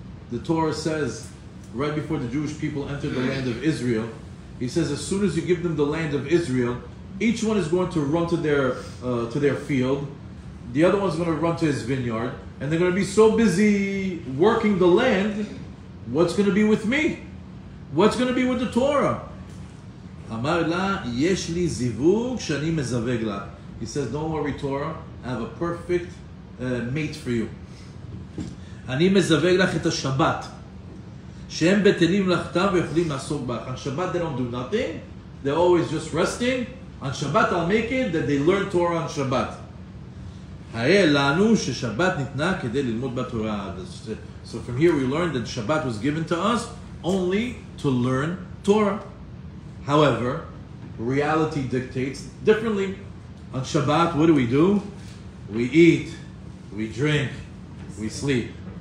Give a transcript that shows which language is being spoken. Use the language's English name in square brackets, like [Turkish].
[English] The Torah says, right before the Jewish people entered the land of Israel, he says, as soon as you give them the land of Israel, each one is going to run to their field, the other one is going to run to his vineyard, and they're going to be so busy working the land, what's going to be with me? What's going to be with the Torah? [Hebrew] אמר לה, יש לי זיווג שאני מזווג לה. [English] He says, don't worry, Torah, I have a perfect mate for you. [Hebrew] אני מזווג לך את השבת, שהם בטלים לכתם ויכולים לעסוק בך. [English] On Shabbat they don't do nothing, they're always just resting. On Shabbat I'll make it that they learn Torah on Shabbat. [Hebrew] הרי לנו ששבת ניתנה כדי ללמוד בתורה. [English] So from here we learned that Shabbat was given to us only to learn Torah. However, reality dictates differently. On Shabbat, what do? We eat, we drink, we sleep.